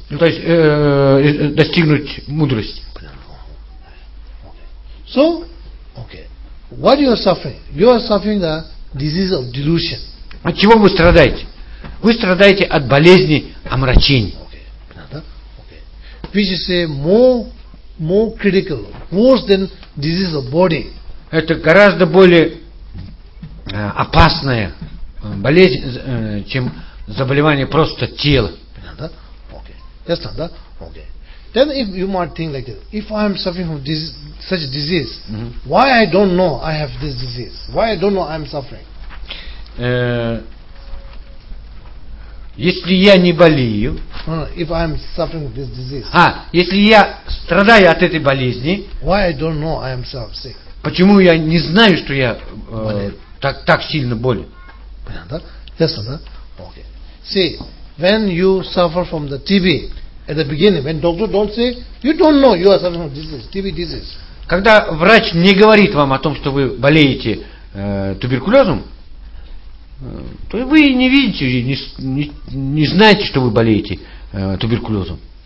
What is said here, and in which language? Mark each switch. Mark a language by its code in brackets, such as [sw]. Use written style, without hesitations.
[ru] Ну, то есть достигнуть мудрости. [en] So, okay. What you are suffering? You are suffering the disease of delusion. [ru] От чего вы страдаете? Вы страдаете от болезни омрачений. [en] Okay. Which is more critical, worse than disease of body. [ru] Это гораздо более опасная болезнь, чем заболевание просто тела. [en] That's not that. Okay. Then if you might think like this, if I am suffering from such a disease, why I don't know I have this disease? Why I don't know I am suffering? [ru] Если я не болею, [en] if I am suffering from this disease, [ru] если я страдаю от этой болезни, [en] why I don't know I am sick? [ru] Почему я не знаю, что я так сильно болен? Понятно? [en] Yes, sir. Okay. See, when you suffer from the TB. At the beginning, when doctor don't say, you don't know you are suffering from disease, TB disease. [ru] Когда врач не говорит вам о том, что вы болеете туберкулезом, то вы не видите, не знаете, что вы болеете туберкулезом.